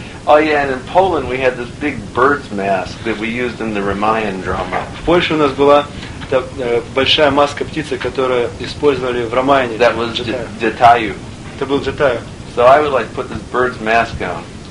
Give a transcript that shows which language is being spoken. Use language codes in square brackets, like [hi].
[en] Oh yeah, and in Poland we had this big bird's mask that we used in the Ramayan drama. [ru] В Польше у нас была та большая маска птицы, которую использовали в Рамаяне. [en] That was Jatayu. [ru] Это был Jatayu. [en] So I would like put this bird's mask on.